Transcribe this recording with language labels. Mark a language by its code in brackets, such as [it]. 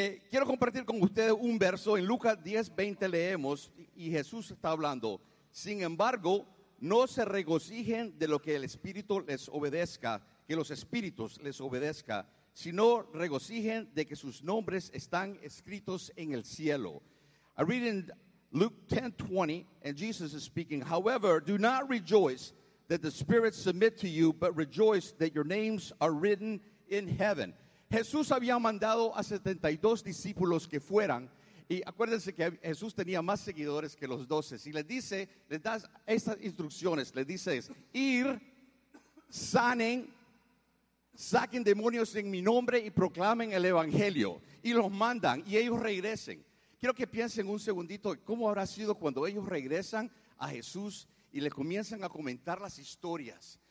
[es] Quiero compartir con ustedes un verso, en Lucas 10:20 leemos y Jesús está hablando. Sin embargo, no se regocijen de lo que el Espíritu les obedezca, que los Espíritus les obedezca, sino regocijen de que sus nombres están escritos en el cielo. [en] I read in Luke 10:20 and Jesus is speaking. However, do not rejoice that the Spirit submit to you, but rejoice that your names are written in heaven. [es] Jesús había mandado a 72 discípulos que fueran. Y acuérdense que Jesús tenía más seguidores que los 12. Y les dice, les da estas instrucciones. Les dice es, ir, sanen, saquen demonios en mi nombre y proclamen el evangelio. Y los mandan y ellos regresen. Quiero que piensen un segundito cómo habrá sido cuando ellos regresan a Jesús y le comienzan a comentar las historias.